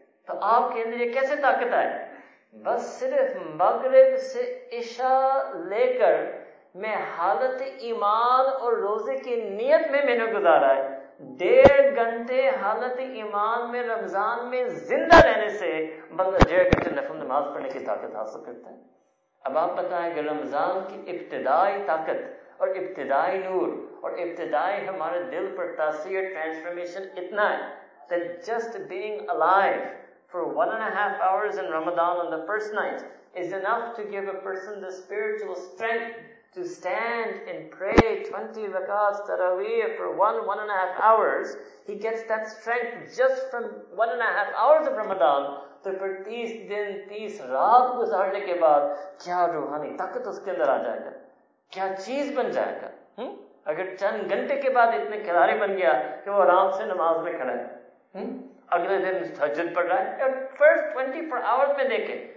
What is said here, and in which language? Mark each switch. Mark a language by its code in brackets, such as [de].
[ur] تو آپ کے اندر یہ کیسے طاقت آئے؟ بس صرف مغرب سے عشاء لے کر میں حالت ایمان اور روزے کی نیت میں نے گزارا ہے, 1.5 گھنٹے حالت ایمان میں رمضان میں زندہ رہنے سے بندہ 1.5 گھنٹے نفل نماز پڑھنے کی طاقت حاصل کرتا ہے. اب آپ بتائیں کہ رمضان کی ابتدائی طاقت اور ابتدائی نور اور ابتدائی ہمارے دل پر تاثیر ٹرانسفارمیشن اتنا ہے [en] that just being alive for 1.5 hours in Ramadan on the first night is enough to give a person the spiritual strength to stand and pray 20 rakats taraweeh for 1.5 hours. He gets that strength just from 1.5 hours of Ramadan. [ur] تو پھر 30 دن 30 رات گزارنے کے بعد کیا روحانی طاقت اس کے اندر آ جائے گا, کیا چیز بن جائے گا. اگر 1.5 گھنٹے کے بعد اتنے کھلاڑی بن گیا کہ وہ آرام سے نماز میں کھڑا ہے, اگلے دن تہجد پڑھ رہا ہے, [en] first 24 hour [ur] میں دیکھے